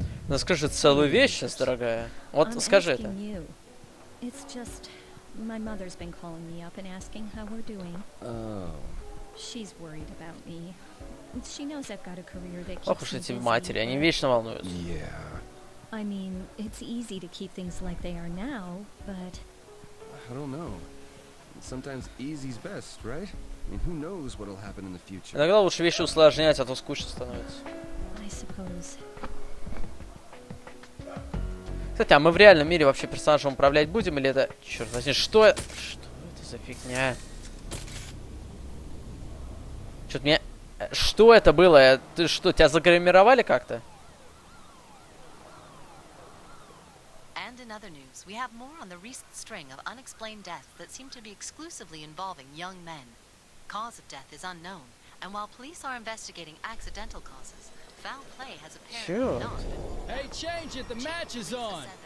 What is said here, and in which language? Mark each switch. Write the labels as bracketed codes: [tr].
[ru] Ну скажи целую вечность, дорогая. Вот скажи это. [en] It's just my mother's been calling me up and asking how we're doing. Oh. She's worried about me. She knows I've got a career that keeps. [ru] Ох уж эти матери, они вечно волнуются. [en] Yeah. I mean, it's easy to keep things like they are now, but. I don't know. Sometimes easy's best, right? I mean, who knows what'll happen in the future? [ru] Иногда лучше вещи усложнять, а то скучно становится. [en] I suppose. [ru] Кстати, а мы в реальном мире вообще персонажем управлять будем или это... Черт возьми, что это? Что это за фигня? Чё-то мне... Что это было? Ты что, тебя загримировали как-то? [en] And in other news, we have more on the recent string of unexplained deaths that seem to be exclusively involving young men. Cause of death is unknown, and while police are investigating accidental causes, foul play has apparently not been... Hey, change it, the match is on!